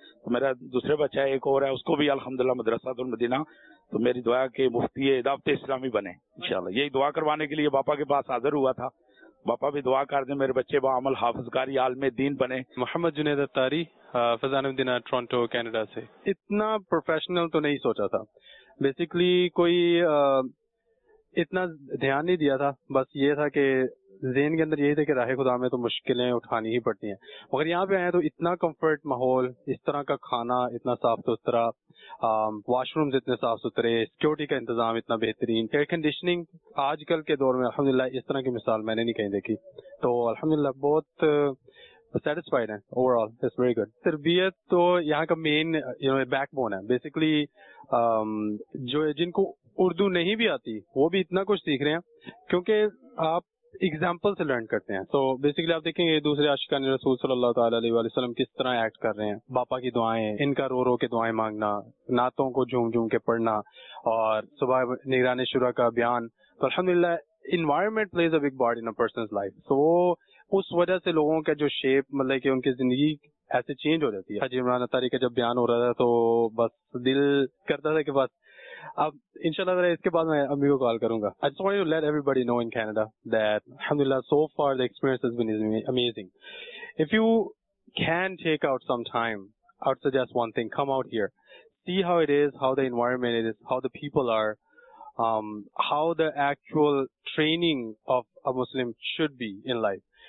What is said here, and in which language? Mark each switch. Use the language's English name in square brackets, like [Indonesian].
[Urdu] تو میرا دوسرے بچہ ایک اور ہے, اس کو بھی الحمدللہ مدرسۃ المدینہ. تو میری دعا کہ مفتی دعوت اسلامی بنے انشاءاللہ. یہی دعا کروانے کے لیے باپا کے پاس حاضر ہوا تھا. باپا بھی دعا کر دیں میرے بچے باعمل حافظ کاری عالم دین بنے. محمد جنید اتاری, فضان المدینہ, ٹورنٹو, کینیڈا سے. اتنا پروفیشنل تو نہیں سوچا تھا, بیسیکلی کوئی اتنا دھیان نہیں دیا تھا. بس یہ تھا کہ ذہن کے اندر یہی تھا کہ راہ خدا میں تو مشکلیں اٹھانی ہی پڑتی ہیں, مگر یہاں پہ آئے تو اتنا کمفرٹ ماحول, اس طرح کا کھانا اتنا صاف ستھرا, واش رومز اتنے صاف ستھرے, سیکورٹی کا انتظام اتنا بہترین, ایئر کنڈیشننگ آج کل کے دور میں الحمدللہ اس طرح کی مثال میں نے نہیں کہیں دیکھی. تو الحمدللہ بہت سیٹسفائیڈ ہیں over all, [English] It's very good. [Urdu] تربیت تو یہاں کا مین بیک بون ہے بیسیکلی. جو جن کو اردو نہیں بھی آتی وہ بھی اتنا کچھ سیکھ رہے ہیں کیونکہ آپ اگزامپل سے لرن کرتے ہیں. تو بیسکلی آپ دیکھیں گے دوسرے عاشقان رسول صلی اللہ تعالیٰ علیہ وسلم کس طرح ایکٹ کر رہے ہیں, باپا کی دعائیں, ان کا رو رو کے دعائیں مانگنا, نعتوں کو جھوم جھوم کے پڑھنا, اور صبح نگران شورا کا بیان. [English] تو الحمد للہ environment plays a big part in person's life. [Urdu] سو اس وجہ سے لوگوں کا جو شیپ مطلب کہ ان کی زندگی ایسے چینج ہو جاتی ہے. حاجی عمران اتاری کا جب بیان ہو رہا تھا تو بس دل کرتا تھا کہ بس اب انشاءاللہ اس کے بعد میں امی کو کال کروں گا. [English] I just want to let everybody know in Canada that alhamdulillah so far the experience has been amazing. If you can take out some time, I would suggest one thing, come out here, see how it is, how the environment is, how the people are, how the actual training of a Muslim should be in life.